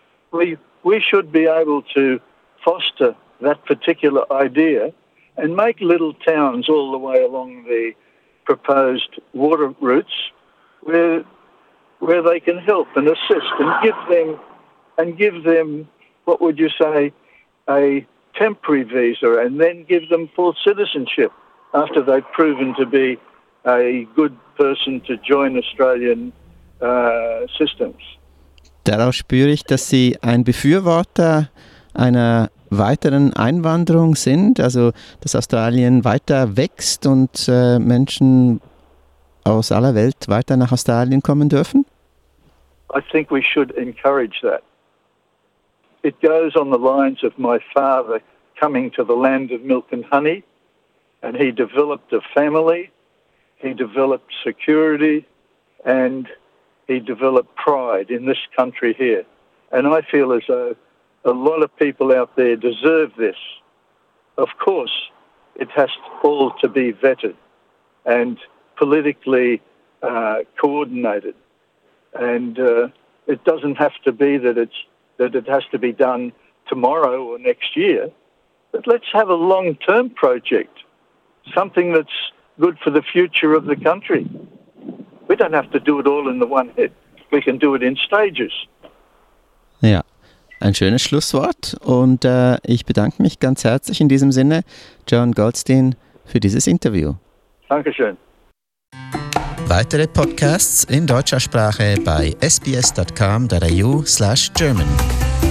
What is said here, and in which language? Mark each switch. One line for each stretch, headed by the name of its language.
English: We should be able to foster that particular idea and make little towns all the way along the proposed water routes where they can help and assist and give them what would you say, a temporary visa, and then give them full citizenship after they've proven to be a good person to join Australian systems.
German: Daraus spüre ich, dass Sie ein Befürworter einer weiteren Einwanderung sind, also dass Australien weiter wächst und Menschen aus aller Welt weiter nach Australien kommen dürfen?
English: I think we should encourage that. It goes on the lines of my father coming to the land of milk and honey, and he developed a family, he developed security, and he developed pride in this country here. And I feel as though a lot of people out there deserve this. Of course, it has all to be vetted and politically coordinated. And it doesn't have to be that it has to be done tomorrow or next year. But let's have a long-term project, something that's good for the future of the country. We don't have to do it all in the one hit. We can do it in stages. Yeah.
German: Ein schönes Schlusswort und ich bedanke mich ganz herzlich in diesem Sinne, John Goldstein, für dieses Interview. Dankeschön. Weitere Podcasts in deutscher Sprache bei sbs.com.au/German.